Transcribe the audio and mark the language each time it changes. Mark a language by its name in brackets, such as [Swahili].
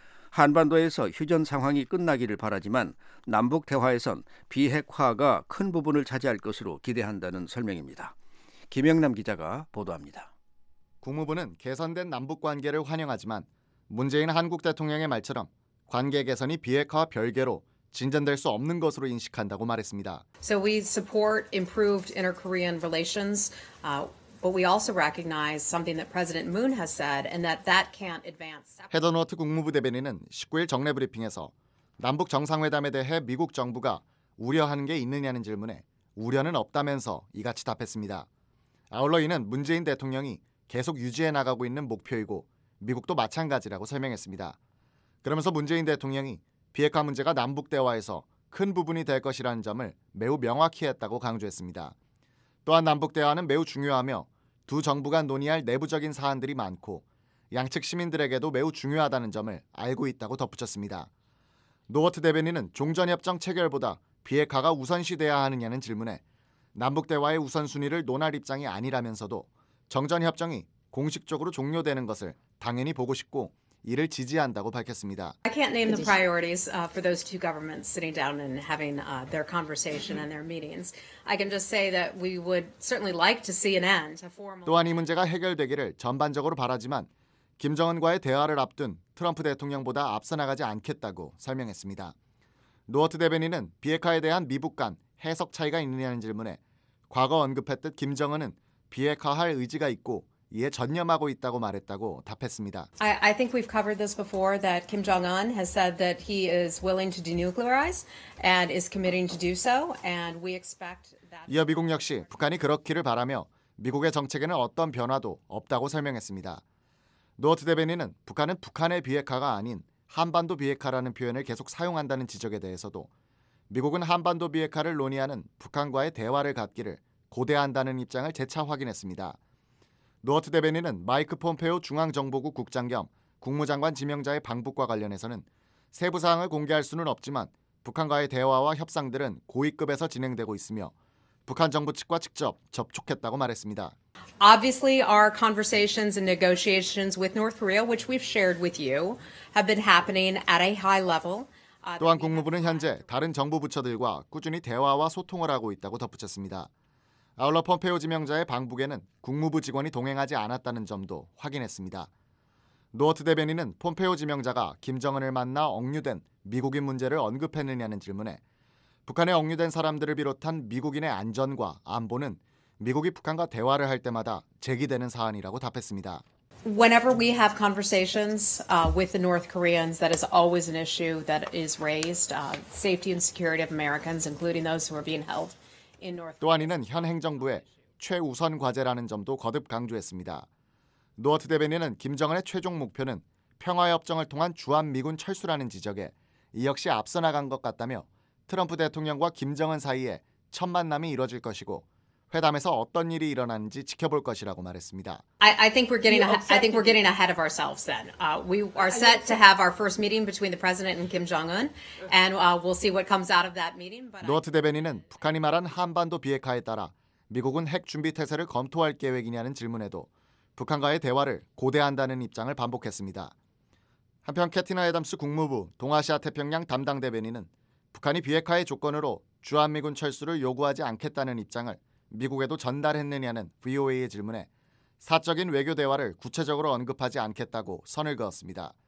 [Korean] 한반도에서 휴전 상황이 끝나기를 바라지만 남북 대화에선 비핵화가 큰 부분을 차지할 것으로 기대한다는 설명입니다. 김영남 기자가 보도합니다. 국무부는 개선된 남북 관계를 환영하지만 문재인 한국 대통령의 말처럼 관계 개선이 비핵화와 별개로 진전될 수 없는 것으로 인식한다고 말했습니다. [English] So we support improved inter-Korean relations. But we also recognize something that President Moon has said and that can't advance. [Korean] 헤더 노트 국무부 대변인은 19일 정례 브리핑에서 남북 정상회담에 대해 미국 정부가 우려하는 게 있느냐는 질문에 우려는 없다면서 이같이 답했습니다. 아울러 이는 문재인 대통령이 계속 유지해 나가고 있는 목표이고 미국도 마찬가지라고 설명했습니다. 그러면서 문재인 대통령이 비핵화 문제가 남북 대화에서 큰 부분이 될 것이라는 점을 매우 명확히 했다고 강조했습니다. 또한 남북 대화는 매우 중요하며 두 정부 간 논의할 내부적인 사안들이 많고 양측 시민들에게도 매우 중요하다는 점을 알고 있다고 덧붙였습니다. 노어트 대변인은 종전협정 체결보다 비핵화가 우선시돼야 하느냐는 질문에 남북 대화의 우선순위를 논할 입장이 아니라면서도 정전협정이 공식적으로 종료되는 것을 당연히 보고 싶고 이를 지지한다고 밝혔습니다. [English] I can't name the priorities for those two governments sitting down and having their conversation and their meetings. I can just say that we would certainly like to see an end. [Korean] 또한 이 문제가 해결되기를 전반적으로 바라지만 김정은과의 대화를 앞둔 트럼프 대통령보다 앞서 나가지 않겠다고 설명했습니다. 노어트 대변인은 비핵화에 대한 미북 간 해석 차이가 있느냐는 질문에 과거 언급했듯 김정은은 비핵화할 의지가 있고 이에 전념하고 있다고 말했다고 답했습니다. [English] I think we've covered this before that Kim Jong-un has said that he is willing to denuclearize and is committing to do so and we expect that. [Korean] 이어 미국 역시 북한이 그렇기를 바라며 미국의 정책에는 어떤 변화도 없다고 설명했습니다. 노어트 대변인은 북한은 북한의 비핵화가 아닌 한반도 비핵화라는 표현을 계속 사용한다는 지적에 대해서도 미국은 한반도 비핵화를 논의하는 북한과의 대화를 갖기를 고대한다는 입장을 재차 확인했습니다. 노어트 대변인은 마이크 폼페오 중앙정보국 국장 겸 국무장관 지명자의 방북과 관련해서는 세부 사항을 공개할 수는 없지만 북한과의 대화와 협상들은 고위급에서 진행되고 있으며 북한 정부 측과 직접 접촉했다고 말했습니다. [English] Obviously, our conversations and negotiations with North Korea, which we've shared with you, have been happening at a high level. [Korean] 또한 국무부는 현재 다른 정부 부처들과 꾸준히 대화와 소통을 하고 있다고 덧붙였습니다. 아울러 폼페오 지명자의 방북에는 국무부 직원이 동행하지 않았다는 점도 확인했습니다. 노어트 대변인은 폼페오 지명자가 김정은을 만나 억류된 미국인 문제를 언급했느냐는 질문에 북한에 억류된 사람들을 비롯한 미국인의 안전과 안보는 미국이 북한과 대화를 할 때마다 제기되는 사안이라고 답했습니다. [English] Whenever we have conversations with the North Koreans, that is always an issue that is raised. Safety and security of Americans, including those who are being held in North Korea. [Korean] 또한 이는 현 행정부의 최우선 과제라는 점도 거듭 강조했습니다. 노어트 대변인은 김정은의 최종 목표는 평화협정을 통한 주한미군 철수라는 지적에 이 역시 앞서 나간 것 같다며 트럼프 대통령과 김정은 사이에 첫 만남이 이뤄질 것이고 회담에서 어떤 일이 일어나는지 지켜볼 것이라고 말했습니다. [English] I think we're getting ahead of ourselves then. We are set to have our first meeting between the president and Kim Jong-un and we'll see what comes out of that meeting. [Korean] 노어트 대변인은 북한이 말한 한반도 비핵화에 따라 미국은 핵 준비 태세를 검토할 계획이냐는 질문에도 북한과의 대화를 고대한다는 입장을 반복했습니다. 한편 캐티나 애덤스 국무부 동아시아 태평양 담당 대변인은 북한이 비핵화의 조건으로 주한미군 철수를 요구하지 않겠다는 입장을 미국에도 전달했느냐는 VOA의 질문에 사적인 외교 대화를 구체적으로 언급하지 않겠다고 선을 그었습니다.